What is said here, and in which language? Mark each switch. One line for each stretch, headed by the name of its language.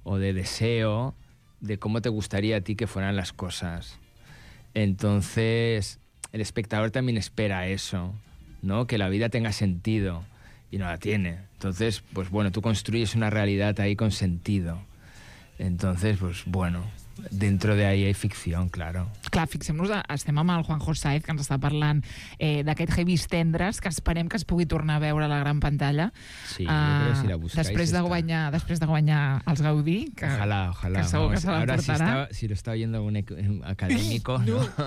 Spanish: o de deseo de cómo te gustaría a ti que fueran las cosas. Entonces, el espectador también espera eso, ¿no?, que la vida tenga sentido. Y no la tiene. Entonces, pues bueno, tú construyes una realidad ahí con sentido. Entonces, pues bueno, Dentro de ahí hay ficción, claro.
Catalan: Clar, fixem-nos, estem amb el Juanjo Sáez, que ens està parlant d'aquest Heavis Tendres, que esperem que es pugui tornar a veure a la gran pantalla. Sí, jo crec que si la buscais... Després de guanyar els Gaudí, que,
Spanish: ojalá, ojalá,
Catalan: que segur que se l'emportarà.
Spanish: Ara, si lo está oyendo algún académico, no.